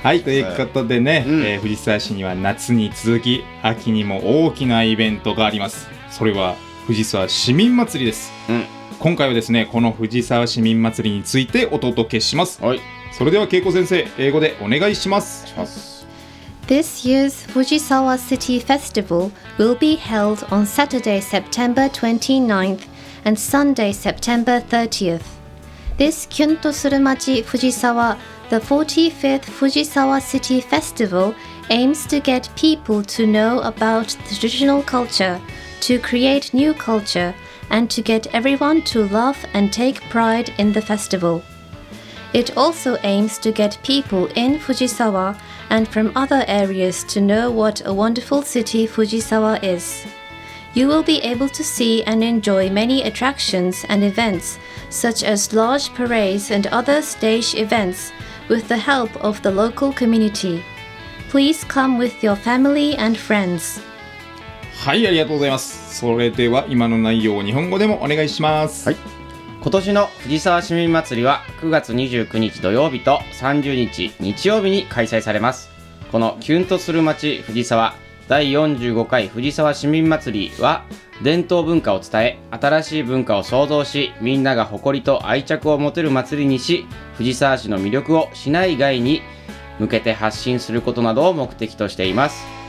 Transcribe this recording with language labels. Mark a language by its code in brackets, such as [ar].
[ja] はい、ということでね、藤沢市には夏に続き秋にも大きなイベントがあります。それは藤沢市民祭りです。今回はですね、この藤沢市民祭りについてお届けします。はい、それでは恵子先生、英語でお願いします。します。 [en] This year's Fujisawa City Festival will be held on Saturday, September 29th and Sunday, September 30th. This [ja] キュンとする街 [en] Fujisawa, the 45th Fujisawa City Festival aims to get people to know about traditional culture, to create new culture, and to get everyone to love and take pride in the festival. It also aims to get people in Fujisawa and from other areas to know what a wonderful city Fujisawa is. You will be able to see and enjoy many attractions and events, such as large parades and other stage events, with the help of the local community. Please come with your family and friends. [ja] はい、ありがとうございます。それでは今の内容を日本語でもお願いします。はい、今年の藤沢市民祭りは9月29日土曜日と30日日曜日に開催されます。このキュンとする街藤沢第45回藤沢市民祭りは、伝統文化を伝え、新しい文化を創造し、みんなが誇りと愛着を持てる祭りにし、藤沢市の魅力を市内外に向けて発信することなどを目的としています。